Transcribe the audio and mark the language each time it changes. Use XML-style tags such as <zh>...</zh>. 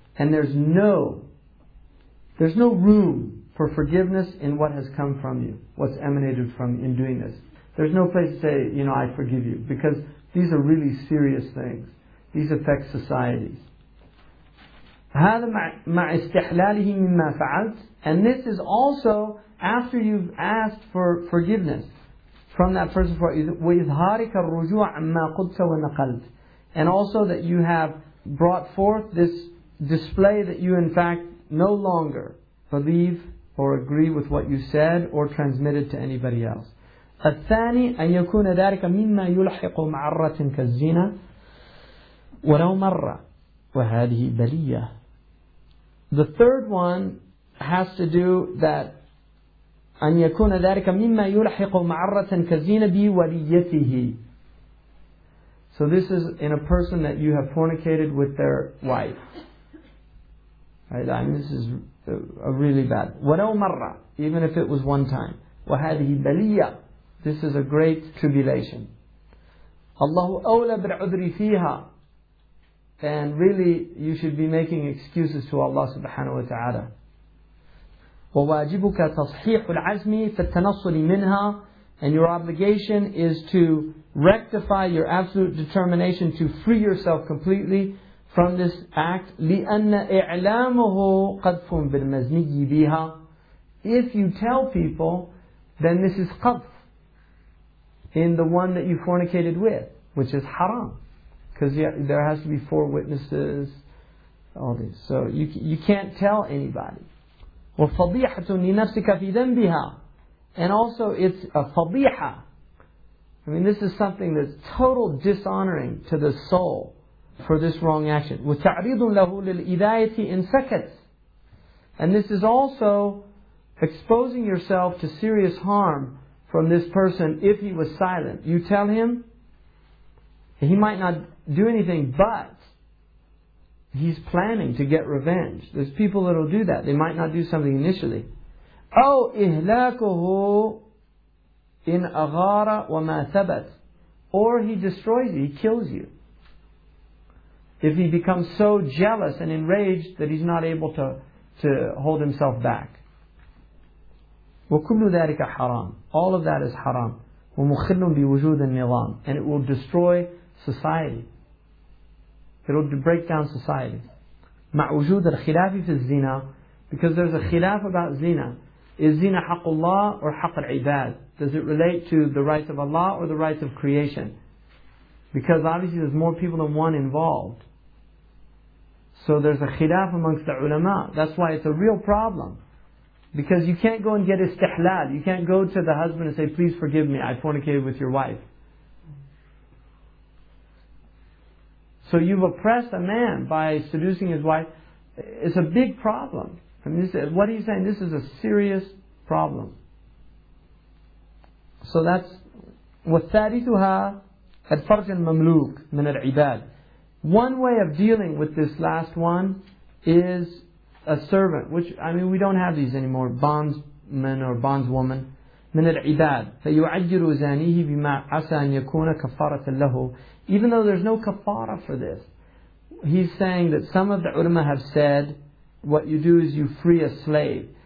<en>And there's no room for forgiveness in what has come from you, what's emanated from you in doing this. There's no place to say, you know, I forgive you. Because these are really serious things. These affect societies.</en> <ar>هذا مع استحلاله مما فعلت.</ar> <en>And this is also after you've asked for forgiveness. from that person for</en> <ar>وإظهارك الرجوع عما قلت ونقلت.</ar> <en>And also that you have brought forth this display that you in fact no longer believe or agree with what you said or transmitted to anybody else.</en> <ar>الثاني أن يكون ذلك مما يلحق معرة كالزنا ولو مرة وهذه بلية.</ar> <en>The third one has to do that</en> <ar>أن يكون ذلك مما يلحق معرة كالزنا بوليته.</ar> <en>So this is in a person that you have fornicated with their wife. Right? I mean, this is a really bad.</en> <ar>ولو مرة,</ar> <en>even if it was one time.</en> <ar>وهذه بلية.</ar> <en>This is a great tribulation.</en> <ar>الله أولى بالعذر فيها.</ar> <en>And really, you should be making excuses to Allah subhanahu wa ta'ala.</en> <ar>وواجبك تصحيح العزم في التنصل منها.</ar> <en>And your obligation is to rectify your absolute determination to free yourself completely from this act.</en> <ar>لِأَنَّ إِعْلَامُهُ قَدْفٌ بِالْمَزْنِيِّ بِهَا.</ar> <en>If you tell people, then this is قَدْف in the one that you fornicated with, which is haram. Because there has to be four witnesses, all these. So you can't tell anybody.</en> <ar>وَفَضِيحَةٌ لِنَفْسِكَ فِي ذَنْبِهَا.</ar> <en>And also it's a fadiha. I mean, this is something that's total dishonoring to the soul for this wrong action.</en> <ar>وَتَعْرِيضٌ لَهُ لِلْإِذَايَةِ إِنْ سَكَتْ.</ar> <en>And this is also exposing yourself to serious harm from this person if he was silent. You tell him, he might not do anything, but he's planning to get revenge. There's people that will do that. They might not do something initially.</en> <ar>أو إهلاكه إن أغار وما ثبت.</ar> <en>Or he destroys you, he kills you. If he becomes so jealous and enraged that he's not able to hold himself back.</en> <ar>وكل ذلك حرام.</ar> <en>All of that is haram.</en> <ar>ومخل بوجود النظام.</ar> <en>And it will destroy society. It will break down society.</en> <ar>مع وجود الخلاف في الزنا.</ar> <en>Because there's a khilaf about zina. Is zina حق الله or حق العباد? Does it relate to the rights of Allah or the rights of creation? Because obviously there's more people than one involved. So there's a khilaf amongst the ulama. That's why it's a real problem. Because you can't go and get istihlal. You can't go to the husband and say, please forgive me, I fornicated with your wife. So you've oppressed a man by seducing his wife. It's a big problem. I mean, this is, what are you saying? This is a serious problem.</en> <ar>So that's وَالثَّارِثُهَا الْفَرْجَ الْمَمْلُوكُ مِنَ الْعِبَادِ.</ar> <en>One way of dealing with this last one is a servant, which, I mean, we don't have these anymore, bondsman or bondswoman.</en> <ar>مِنَ الْعِبَادِ فَيُعَجِّرُ زَانِيهِ بِمَا عَسَى أَنْ يَكُونَ كَفَارَةً لَهُ.</ar> <en>Even though there's no kafara for this, he's saying that some of the ulama have said, what you do is you free a slave.</en>